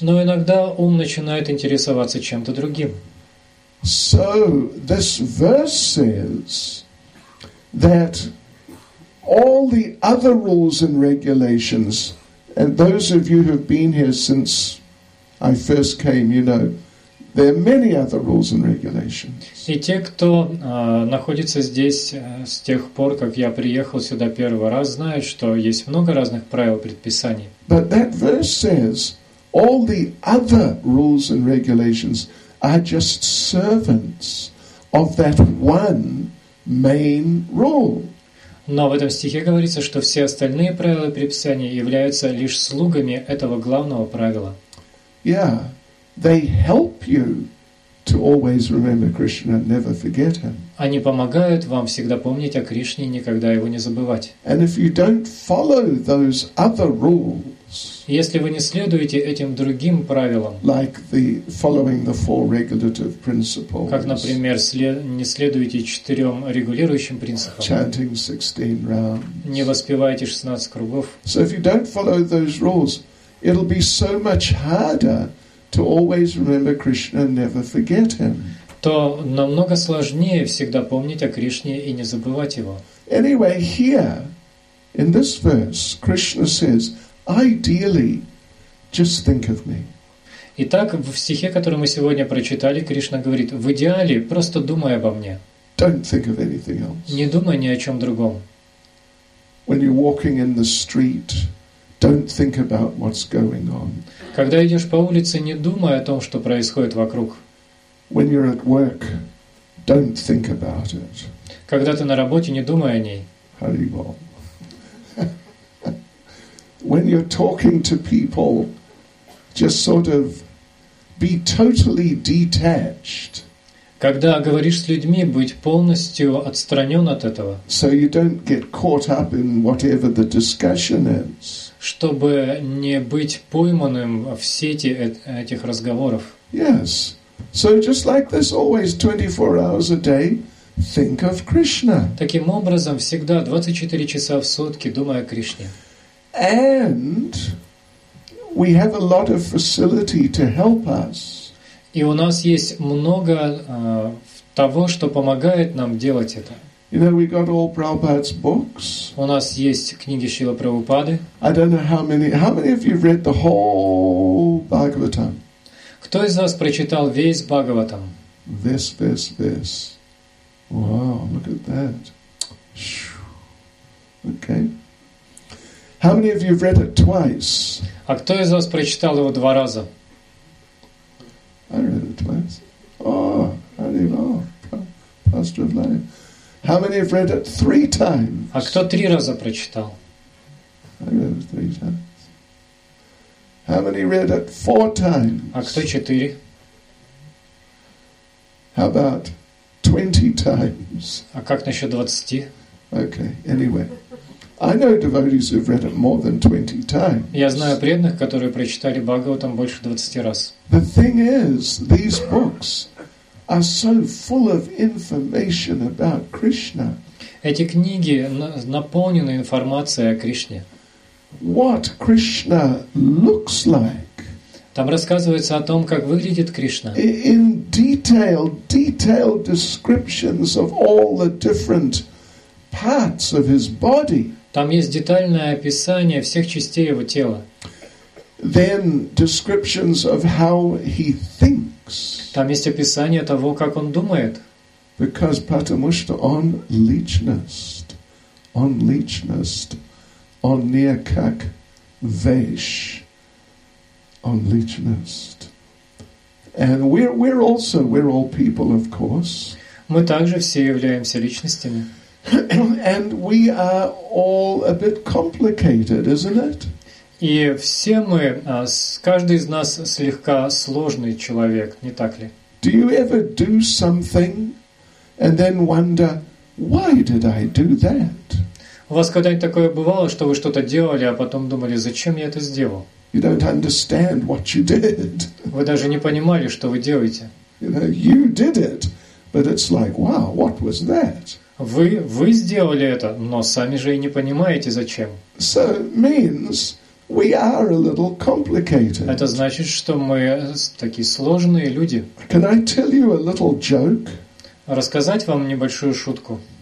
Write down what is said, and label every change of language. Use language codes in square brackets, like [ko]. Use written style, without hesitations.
[ru] Но иногда ум начинает интересоваться чем-то другим. [en] So this verse says that all the other rules and regulations, and those of you who have been here since I first came, you know, There are many other rules and regulations. [ru] И те, кто находится здесь с тех пор, как я приехал сюда первый раз, знают, что есть много разных правил и предписаний. [en] But that verse says all the other rules and regulations are just servants of that one main rule. [ru] Но в этом стихе говорится, что все остальные правила и предписания являются лишь слугами этого главного правила. [en] Yeah. They help you to always remember Krishna and never forget him. [ru] Они помогают вам всегда помнить о Кришне и никогда его не забывать. [en] And if you don't follow those other rules, [ru] если вы не следуете этим другим правилам, [en] like the following the four regulative principles, [ru] как, например, не следуете четырем регулирующим принципам, [en] chanting 16 rounds, [ru] не воспеваете 16 кругов, [en] so if you don't follow those rules, it'll be so much harder to always remember Krishna and never forget him. [ru] То намного сложнее всегда помнить о Кришне и не забывать его. [en] Anyway, here in this verse, Krishna says, ideally, just think of me. [ru] Итак, в стихе, который мы сегодня прочитали, Кришна говорит: в идеале просто думай обо мне. [en] Don't think of anything else. [ru] Не думай ни о чем другом. [en] When you're walking in the street, don't think about what's going on. [ru] Когда идешь по улице, не думай о том, что происходит вокруг. [en] When you're at work, don't think about it. [ru] Когда ты на работе, не думай о ней. Hare Bol. [en] When you're talking to people, just sort of be totally detached. [ru] Когда говоришь с людьми, быть полностью отстранен от этого. [en] So you don't get caught up in whatever the discussion is. [ru] Чтобы не быть пойманным в сети этих разговоров. [en] Yes. So just like this, always 24 hours a day, think of Krishna. [ru] Таким образом, всегда 24 часа в сутки думай о Кришне. [en] And we have a lot of facility to help us. [ru] И у нас есть много того, что помогает нам делать это. [en] You know, we got all Prabhupada's books. [ru] У нас есть книги Шрилы Прабхупады. [en] I don't know how many of you read the whole Bhagavatam? [ru] Кто из вас прочитал весь Бхагаватам? [en] This. Wow, look at that. Okay. How many of you read it twice? [ru] А кто из вас прочитал его два раза? [en] I read it twice. Oh, Hare Rav, Pastor of Life. How many have read it three times? [ru] А кто три раза прочитал? [en] I read it three times. How many read it four times? [ru] А кто четыре? [en] How about 20 times? [ru] А как насчет 20? [en] Okay, anyway. I know devotees who've read it more than 20 times. [ru] Я знаю преданных, которые прочитали Бхагаватам больше 20 раз. [en] The thing is, these books are so full of information about Krishna. [ru] Эти книги наполнены информацией о Кришне. [en] What Krishna looks like. [ru] Там рассказывается о том, как выглядит Кришна. [en] In detailed descriptions of all the different parts of his body. [ru] Там есть детальное описание всех частей его тела. [en] Then descriptions of how he thinks. [ru] Там есть описание того, как он думает. [en] Because [ru] потому что он личность. [en] And we're all people, of course. [ru] Мы также все являемся личностями. [en] And we are all a bit complicated, isn't it? [ru] И все мы, каждый из нас слегка сложный человек, не так ли? [en] Do you ever do something and then wonder, why did I do that? [ru] У вас когда-нибудь такое бывало, что вы что-то делали, а потом думали, зачем я это сделал? [en] You don't understand what you did. [ru] Вы даже не понимали, что вы делаете. [en] You know, you did it, but it's like, wow, what was that? [ru] Вы сделали это, но сами же и не понимаете, зачем. [en] So means we are a little complicated. [ru] Это значит, что мы такие сложные люди. [en] Can I tell you a little joke? [ru] Рассказать вам небольшую шутку?